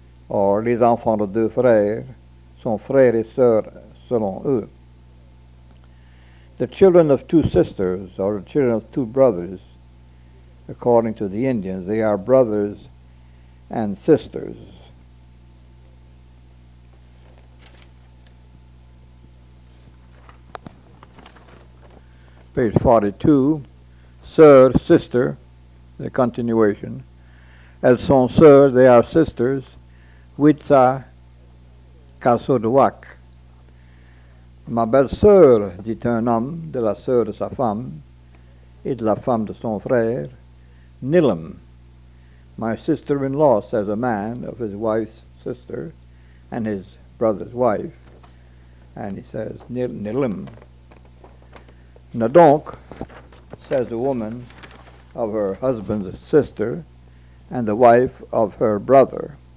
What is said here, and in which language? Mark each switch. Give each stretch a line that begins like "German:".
French: or les enfants de deux frères, son frère et sœur selon eux.
English: The children of two sisters or the children of two brothers, according to the Indians, they are brothers and sisters. Page 42, sœur, sister, the continuation.
French: Elles sont sœurs,
English: they are sisters.
French: Witsa Kasodwak. Ma belle sœur, dit un homme, de la sœur de sa femme, et de la femme de son frère, Nilam.
English: My sister-in-law, says a man, of his wife's sister and his brother's wife, and he says, Nilam. Nadonk, says a woman, of her husband's sister and the wife of her brother.